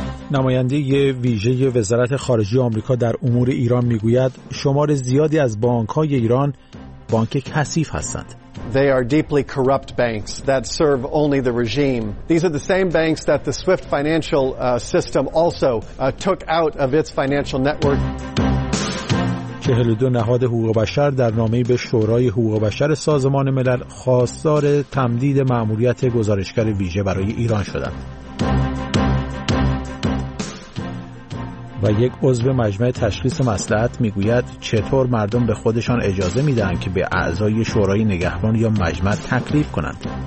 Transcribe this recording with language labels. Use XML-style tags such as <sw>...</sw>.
<fa>نماینده ویژه وزارت خارجه آمریکا در امور ایران میگوید شمار زیادی از بانک‌های ایران بانک کثیف هستند.</fa> <en>They are deeply corrupt banks that serve only the regime. These are the same banks that the SWIFT financial system also took out of its financial network.</en> <fa>42 نهاد حقوق بشر در نامه‌ای به شورای حقوق بشر سازمان ملل خواستار تمدید مأموریت گزارشگر ویژه برای ایران شدند. و یک عضو مجمع تشخیص مصلحت میگوید چطور مردم به خودشان اجازه میدن که به اعضای شورای نگهبان یا مجمع تکلیف کنند.</fa>